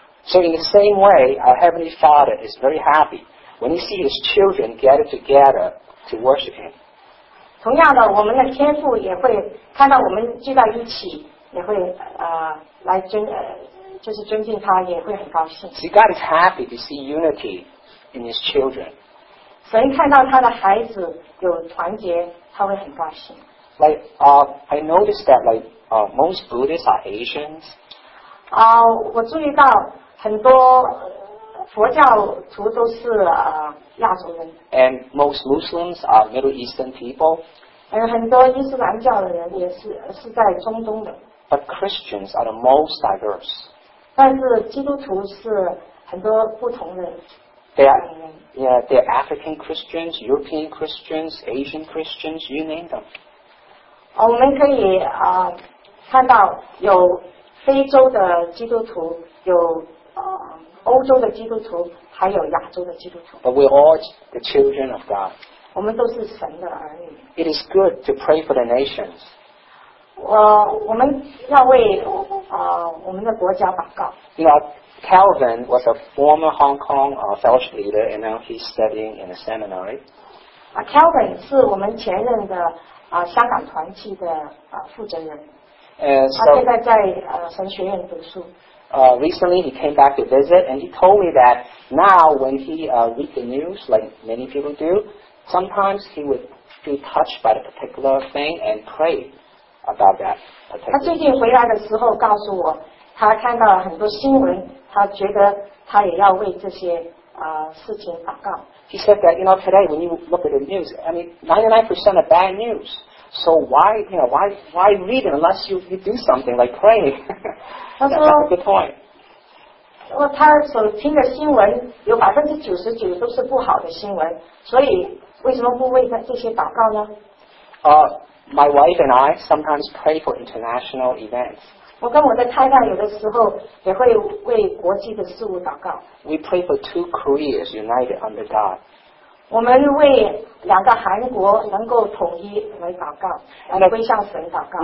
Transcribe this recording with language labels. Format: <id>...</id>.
<en>So in the same way, our Heavenly Father is very happy when he sees his children gather together to worship him.</en> <zh>同样的，我们的天父也会看到我们聚到一起，也会来尊就是尊敬他，也会很高兴。</zh> <en>See, God is happy to see unity in His children.</en> <zh>神看到他的孩子有团结，他会很高兴。</zh> <en>Like, I noticed that like, most Buddhists are Asians.</en> <zh>啊，我注意到很多佛教徒都是亚洲人。</zh> <en>And most Muslims are Middle Eastern people.</en> <zh>很多伊斯兰教的人也是在中东的。</zh> <en>But Christians are the most diverse.</en> <zh>但是基督徒是很多不同的。</zh> <en>They're African Christians, European Christians, Asian Christians, you name them.</en> <zh>我们可以看到有非洲的基督徒，有欧洲的基督徒，还有亚洲的基督徒。</zh> <en>But we're all the children of God.</en> <zh>我们都是神的儿女。</zh> <en>It is good to pray for the nations.</en> <zh>我们要为我们的国家祷告。</zh> <en>You know, Calvin was a former Hong Kong fellowship leader, and now he's studying in a seminary.</en> <zh>Calvin 是我们前任的香港团契的负责人。</zh> <en>So,</en> <zh>他现在在神学院读书。</zh> <en>Recently, he came back to visit, and he told me that now, when he read the news, like many people do, sometimes he would feel touched by a particular thing and pray about that particular</en> <zh>他最近回来的时候告诉我，他看到很多新闻，他觉得他也要为这些事情祷告。</zh> <en>He said that, you know, today when you look at the news, I mean, 99% are bad news. So why, you know, why read it unless you do something like pray?</en> <zh>他说</zh> <en>That's a good point.</en> <zh>他所听的新闻有99%都是不好的新闻，所以为什么不为这些祷告呢？</zh> <en>My wife and I sometimes pray for international events.</en> <zh>我跟我的太太有的时候也会为国际的事物祷告。</zh> <en>We pray for two Koreas united under God.</en> <zh>我们为两个韩国能够统一为祷告，来归向神祷告。</zh>